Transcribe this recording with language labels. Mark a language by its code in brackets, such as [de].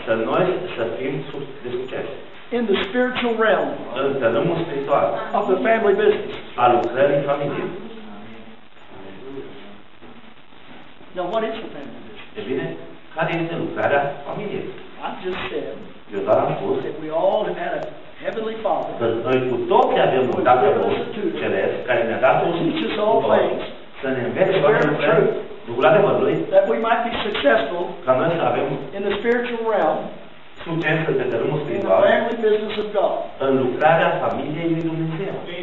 [ro] Să noi să fim de succes. [en] In the spiritual realm. [ro] În domeniul spiritual. [en] Of the family business. [ro] A lucrării familiei. [en] Now what is the family business? [ro] Bine, care este lucrarea familiei? [en] I just said. [ro] Eu doar am spus. [en] That we all have had a heavenly father. [ro] Că noi cu toții avem un Tată Ceresc care ne-a dat un Tutor. Să ne învețe toate lucrurile. Duhul adevărului, [en] that we might be successful [ro] ca noi să avem [en] in the spiritual realm, [ro] succes pe terenul spiritual, [en] in the family business of God. [ro] În lucrarea familiei lui Dumnezeu.